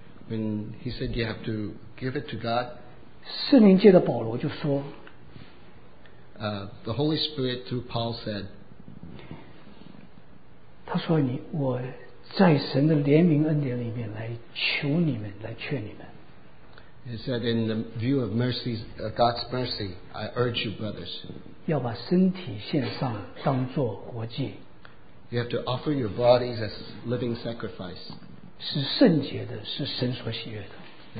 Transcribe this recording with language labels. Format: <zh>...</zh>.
<en>when he said you have to give it to God,</en> <zh>圣灵借着保罗就说,</zh> <en>the Holy Spirit through Paul said,</en> <zh>他说我在神的怜悯恩典里面来求你们，来劝你们。</zh> <en>He said, in the view of mercy, God's mercy, I urge you, brothers,</en> <zh>要把身体献上当作活祭,</zh> <en>you have to offer your bodies as living sacrifice.</en> <zh>是圣洁的, 是神所喜悦的,</zh>